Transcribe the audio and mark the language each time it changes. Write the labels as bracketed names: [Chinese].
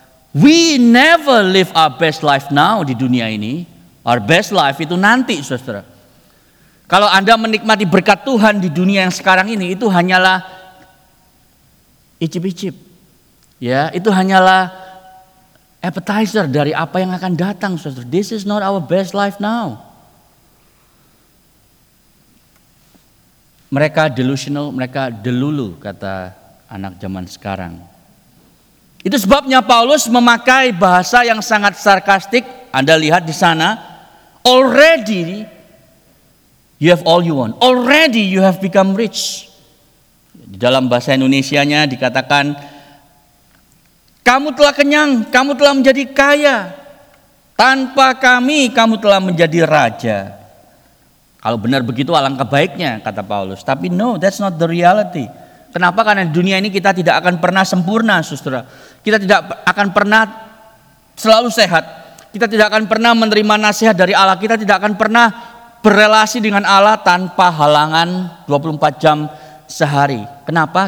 [English] We never live our best life now [Indonesian] di dunia ini. [English] Our best life [Indonesian] itu nanti, saudara. Kalau Anda menikmati berkat Tuhan di dunia yang sekarang ini, itu hanyalah icip-icip. Ya, itu hanyalah appetizer dari apa yang akan datang, saudara. [English] This is not our best life now. [Indonesian] Mereka delusional, mereka delulu, kata anak zaman sekarang. Itu sebabnya Paulus memakai bahasa yang sangat sarkastik. Anda lihat di sana, [English] already you have all you want. Already you have become rich. [Indonesian] Di dalam bahasa Indonesianya dikatakan, kamu telah kenyang, kamu telah menjadi kaya. Tanpa kami, kamu telah menjadi raja. Kalau benar begitu, alangkah baiknya, kata Paulus. [English] Tapi no, that's not the reality. [Indonesian] Kenapa? Karena di dunia ini kita tidak akan pernah sempurna, saudara. Kita tidak akan pernah selalu sehat. Kita tidak akan pernah menerima nasihat dari Allah. Kita tidak akan pernah berrelasi dengan Allah tanpa halangan 24 jam sehari. Kenapa?